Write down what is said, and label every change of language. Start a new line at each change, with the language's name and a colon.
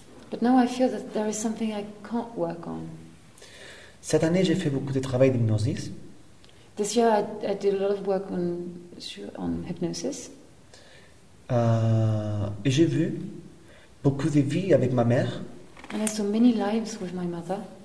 English: But now I feel that there is something I can't work on.
French: Cette année, j'ai fait beaucoup de travail d'hypnose.
English: This year, I did a lot of work on hypnosis.
French: Et j'ai vu beaucoup de vies avec ma mère.
English: And I saw many lives with my mother.